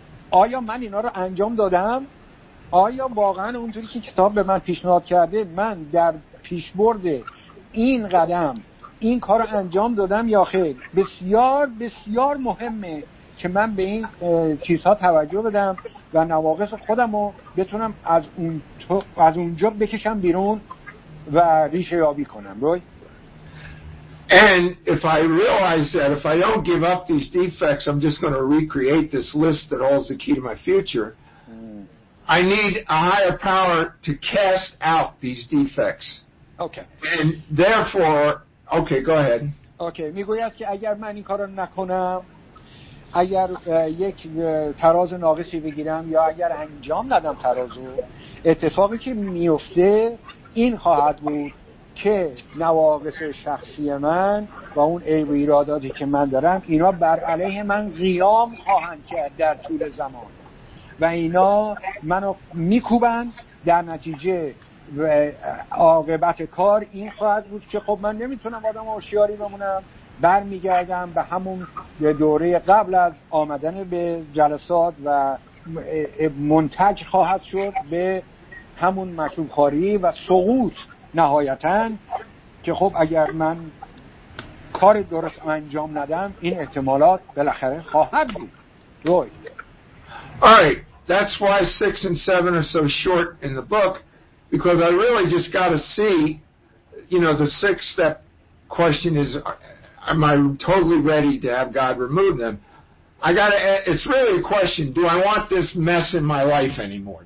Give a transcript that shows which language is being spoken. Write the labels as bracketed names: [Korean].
[Persian] آیا من اینا رو انجام دادم؟ آیا واقعا اونطوری که کتاب به من پیشنهاد کرده من در پیشبرد این قدم این کار رو انجام دادم یا خیر؟ بسیار بسیار مهمه که من به این چیزها توجه بدم و نواقص خودم رو بتونم از اونجا بکشم بیرون و ریشه یابی کنم. روی؟ [English] And if I realize that, if I don't give up these defects, I'm just going to recreate this list that holds the key to my future. I need a higher power to cast out these defects. Okay. And therefore, okay, go ahead. [Persian] Okay, میگوید که اگر من این کارو نکنم، اگر یک تراز ناقصی بگیرم یا اگر انجام ندم ترازو، اتفاقی که میفته این خواهد بود که نواقص شخصی من و اون عیب و ایراداتی که من دارم، اینا بر علیه من قیام خواهند کرد در طول زمان و اینا منو میکوبن. در نتیجه عاقبت کار این خواهد بود که خب من نمیتونم آدم هوشیاری بمونم، برمیگردم به همون دوره قبل از آمدن به جلسات و منتج خواهد شد به همون مکروبخواری و سقوط نهایتا، که خب اگر من کار درست انجام ندم این احتمالات بالاخره خواهد بود. روی. [English] All right, that's why 6 and 7 are so short in the book, because I really just got to see, you know, the 6th step question is, am I totally ready to have God remove them? It's really a question, do I want this mess in my life anymore?